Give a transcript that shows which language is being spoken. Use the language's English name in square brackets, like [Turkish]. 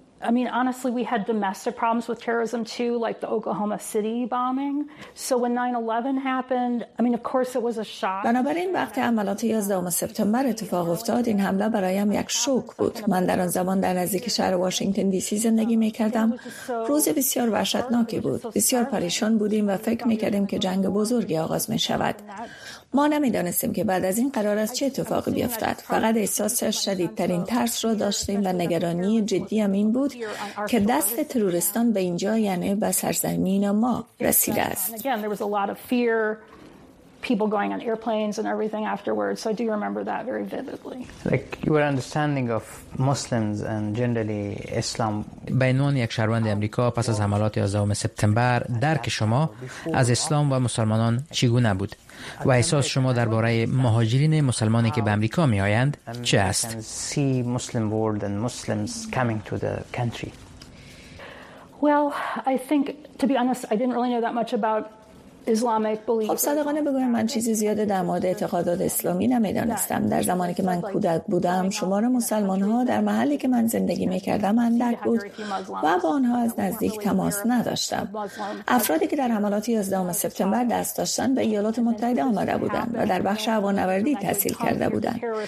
[English] I mean honestly we had domestic problems with terrorism too like the Oklahoma City bombing. So when 9/11 happened, I mean of course it was a shock. [Persian] بنابراین وقتی حملات 11 سپتامبر اتفاق افتاد این حمله برایم یک شوک بود. من در آن زمان در نزدیک شهر واشنگتن دی سی زندگی می‌کردم. روز بسیار وحشتناکی بود. بسیار پریشان بودیم و فکر می‌کردیم که جنگ بزرگی آغاز می‌شود. ما نمی‌دانستیم که بعد از این قرار است چه اتفاقی بیفتد. فقط احساس شدیدترین ترس را داشتیم و نگرانی جدی هم این بود که دست تروریستان به اینجا یعنی به سرزمین ما رسیده است. [English] People going on airplanes and everything afterwards. So I do remember that very vividly. Like your understanding of Muslims and generally Islam. [Persian] به عنوان یک شهروند آمریکا پس از حملات 11 سپتامبر درک شما از اسلام و مسلمانان چگونه بود و احساس شما درباره مهاجرین مسلمانی که به آمریکا می آیند چه است؟ [English] See Muslim world and Muslims coming to the country. Well, I think to be honest, I didn't really know that much about [Persian] خب صادقانه بگویم من چیزی زیاده در مورد اعتقادات اسلامی نمیدانستم. در زمانی که من کودک بودم شمار مسلمان ها در محلی که من زندگی میکردم اندک بود و با آنها از نزدیک تماس نداشتم. افرادی که در حملات 11 سپتامبر دست داشتن به ایالات متحده آمده بودند و در بخش هوانوردی تحصیل کرده بودند.